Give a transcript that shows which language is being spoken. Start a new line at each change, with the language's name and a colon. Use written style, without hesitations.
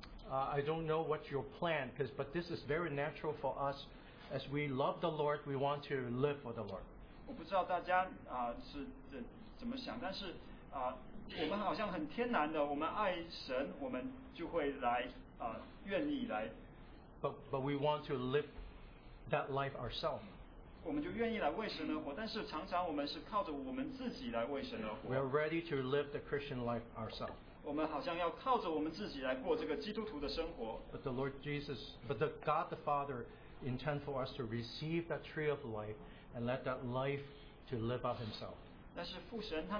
English: I don't know what your plan is, but this is very natural for us. As we love the Lord, we want to live for the Lord.
Chinese: 我不知道大家是怎么想，但是我们好像很天然的，我们爱神，我们就会来愿意来。But
English: we want to live that life ourselves.
Chinese: 我们就愿意来为神而活，但是常常我们是靠着我们自己来为神而活。
English: We are ready to live the Christian life ourselves.
Chinese: 我们好像要靠着我们自己来过这个基督徒的生活。
English: But the Lord Jesus, but the God the Father intend for us to receive that tree of life and let that life to live out himself.